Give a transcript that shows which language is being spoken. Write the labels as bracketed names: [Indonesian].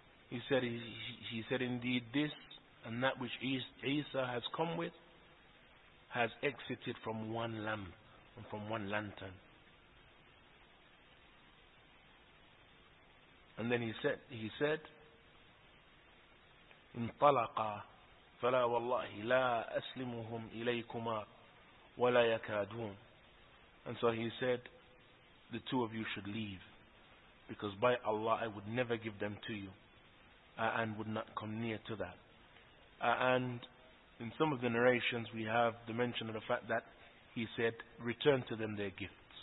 [English] He said indeed this and that which Isa has come with has exited from one lamp and from one lantern. And then he said [Arabic] انطلقا فلا والله لا أسلمهم إليكما ولا يكادون. [English] And so he said, the two of you should leave, because by Allah I would never give them to you and would not come near to that. And in some of the narrations we have the mention of the fact that he said, return to them their gifts.